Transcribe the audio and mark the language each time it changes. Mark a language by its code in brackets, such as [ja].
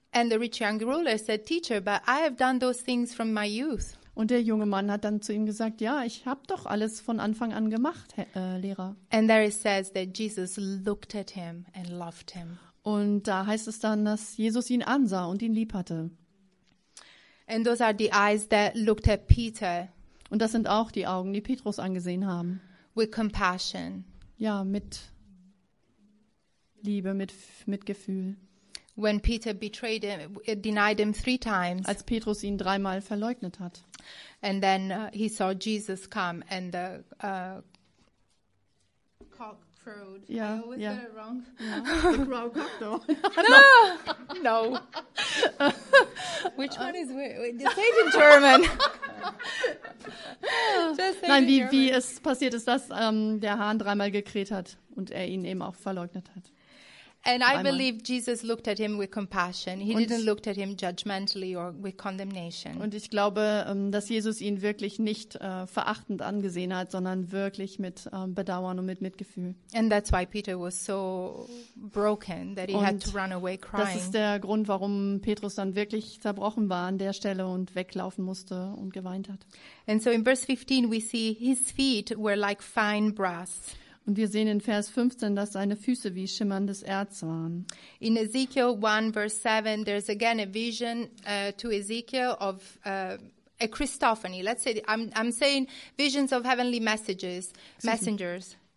[en] And the rich young ruler said, "Teacher, but I have done those things from my youth." [de] Und der junge Mann hat dann zu ihm gesagt, ja, ich habe doch alles von Anfang an gemacht, Lehrer. [en] And there it says that Jesus looked at him and loved him. [de] Und da heißt es dann, dass Jesus ihn ansah und ihn lieb hatte. [en] And those are the eyes that looked at Peter. [de] Und das sind auch die Augen, die Petrus angesehen haben. [en] With compassion. [de] Ja, mit Liebe, mit Mitgefühl. [en] When Peter betrayed him, denied him three times. [de] Als Petrus ihn dreimal verleugnet hat. [en] And then he saw Jesus come and the cock crowed. Yeah, I always get it wrong. Yeah. The crow cock though. No. Which one is weird? Say it in German. [de] Nein, wie es passiert ist, dass der Hahn dreimal gekräht hat und er ihn eben auch verleugnet hat. [en] And I believe Jesus looked at him with compassion. He didn't look at him judgmentally or with condemnation. [de] Und ich glaube, dass Jesus ihn wirklich nicht verachtend angesehen hat, sondern wirklich mit Bedauern und mit Mitgefühl. [en] And that's why Peter was so broken that he had to run away crying. [de] Das ist der Grund, warum Petrus dann wirklich zerbrochen war an der Stelle und weglaufen musste und geweint hat. [en] And so in verse 15 we see his feet were like fine brass. [de] Und wir sehen in Vers 15, dass seine Füße wie schimmerndes Erz waren. [en] In Ezekiel 1, verse 7, there's again a vision to Ezekiel of a Christophany. Let's say, I'm saying visions of heavenly messages, messengers.